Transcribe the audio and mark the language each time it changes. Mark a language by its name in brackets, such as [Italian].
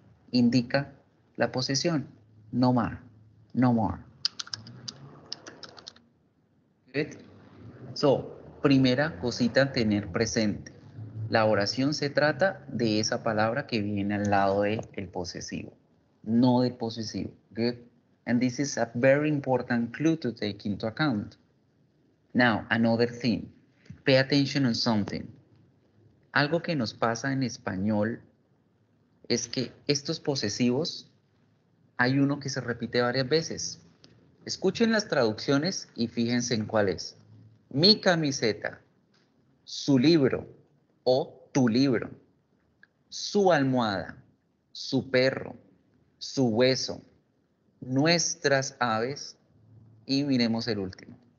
[English] Indica la posesión. No more. No more. [Spanish] Good. So, primera cosita a tener presente. La oración se trata de esa palabra que viene al lado del posesivo. No del posesivo. Good. [English] And this is a very important clue to take into account. Now, another thing. Pay attention on something. [Spanish] Algo que nos pasa en español es que estos posesivos, hay uno que se repite varias veces. Escuchen las traducciones y fíjense en cuál es. Mi camiseta, su libro o tu libro, su almohada, su perro, su hueso, nuestras aves y miremos el último.